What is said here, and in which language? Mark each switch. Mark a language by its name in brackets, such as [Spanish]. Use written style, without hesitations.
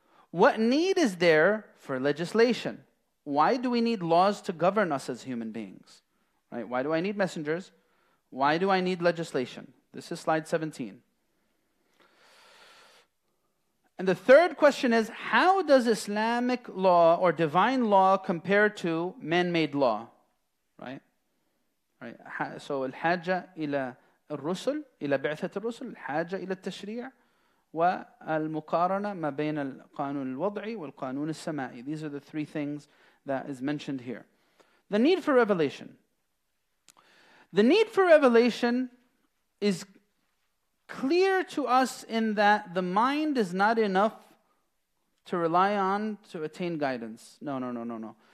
[English] What need is there for legislation? Why do we need laws to govern us as human beings? Right? Why do I need messengers? Why do I need legislation? This is slide 17. And the third question is, how does Islamic law or divine law compare to man-made law? Right? Right. [Arabic] So, الحاجة إلى الرسل إلى بعثة الرسل الحاجة إلى التشريع والمقارنة ما بين القانون الوضعي والقانون السمائي. [English] These are the three things that is mentioned here. The need for revelation. The need for revelation is clear to us in that the mind is not enough to rely on to attain guidance. No.